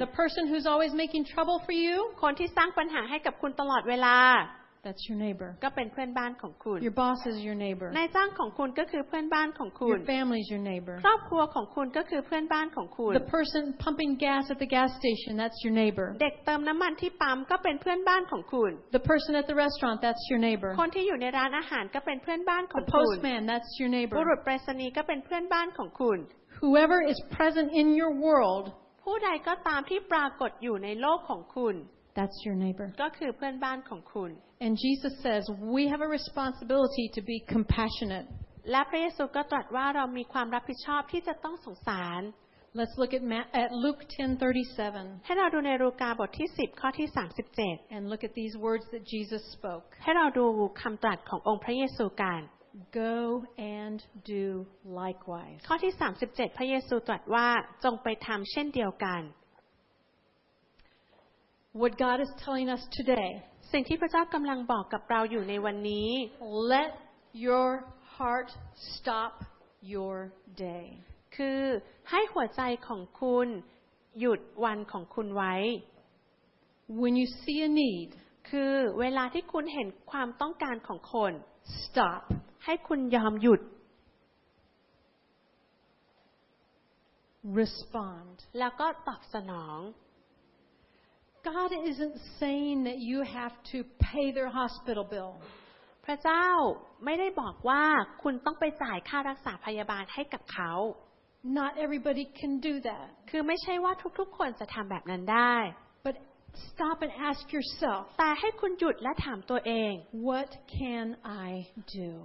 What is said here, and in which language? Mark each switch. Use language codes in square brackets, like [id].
[en] The person who's always making trouble for you, [th] คนที่สร้างปัญหาให้กับคุณตลอดเวลา [en] That's your neighbor. [th] ก็เป็นเพื่อนบ้านของคุณ [en] Your boss is your neighbor. [th] นายจ้างของคุณก็คือเพื่อนบ้านของคุณ [en] Your family's your neighbor. [th] ครอบครัวของคุณก็คือเพื่อนบ้านของคุณ [en] The person pumping gas at the gas station, that's your neighbor. [th] เด็กเติมน้ำมันที่ปั๊มก็เป็นเพื่อนบ้านของคุณ [en] The person at the restaurant, that's your neighbor. [th] คนที่อยู่ในร้านอาหารก็เป็นเพื่อนบ้านของคุณ [en] The postman, that's your neighbor. [th] บุรุษไปรษณีย์ก็เป็นเพื่อนบ้านของคุณ [en] Whoever is present in your world, [th] ผู้ใดก็ตามที่ปรากฏอยู่ในโลกของคุณ [en] That's your neighbor. [th] ก็คือเพื่อนบ้านของคุณ [en] And Jesus says we have a responsibility to be compassionate. [th] และพระเยซูก็ตรัสว่าเรามีความรับผิดชอบที่จะต้องสงสาร [en] Let's look at Luke 10:37. [th] ให้เราดูในลูกาบทที่10ข้อที่37 [en] And look at these words that Jesus spoke. [th] ให้เราดูคำตรัสขององค์พระเยซูกัน [en] Go and do likewise. [th] ข้อที่37พระเยซูตรัสว่าจงไปทำเช่นเดียวกัน [en] What God is telling us today. [th] สิ่งที่พระเจ้ากำลังบอกกับเราอยู่ในวันนี้ [en] Let your heart stop your day. [th] คือให้หัวใจของคุณหยุดวันของคุณไว้ [en] When you see a need. [th] คือเวลาที่คุณเห็นความต้องการของคน [en] Stop. [th] ให้คุณยอมหยุด [en] Respond. [th] แล้วก็ตอบสนอง [en] God isn't saying that you have to pay their hospital bill. [th] พระเจ้าไม่ได้บอกว่าคุณต้องไปจ่ายค่ารักษาพยาบาลให้กับเขา [en] Not everybody can do that. [th] คือไม่ใช่ว่าทุกๆคนจะทำแบบนั้นได้ [en] But stop and ask yourself. [th] แต่ให้คุณหยุดและถามตัวเอง [en] What can I do?